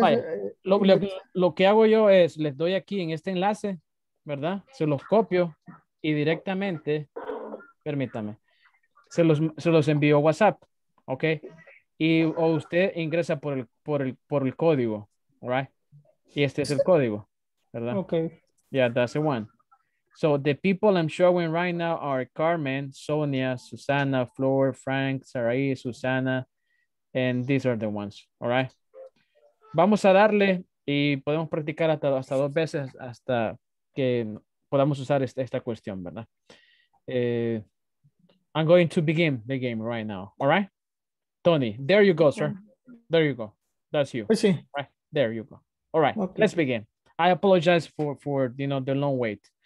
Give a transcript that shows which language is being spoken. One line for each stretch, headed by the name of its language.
Spanish: Vaya, lo que hago yo es, les doy aquí en este enlace, ¿verdad? Se los copio y directamente, permítame, Se los envío a WhatsApp, ¿ok? Y o usted ingresa por el código, ¿right? Y este es el código, ¿verdad? Ok.
English: Yeah, that's the one. So the people I'm showing right now are Carmen, Sonia, Susana, Flor, Frank, Sarai, Susana, and these are the ones, ¿all right?
Spanish: Vamos a darle y podemos practicar hasta dos veces hasta que podamos usar esta cuestión, ¿verdad?
English: I'm going to begin the game right now. All right? Tony, there you go, sir. There you go. That's you. I see. All right. There you go. All right. Okay. Let's begin. I apologize for you know the long wait.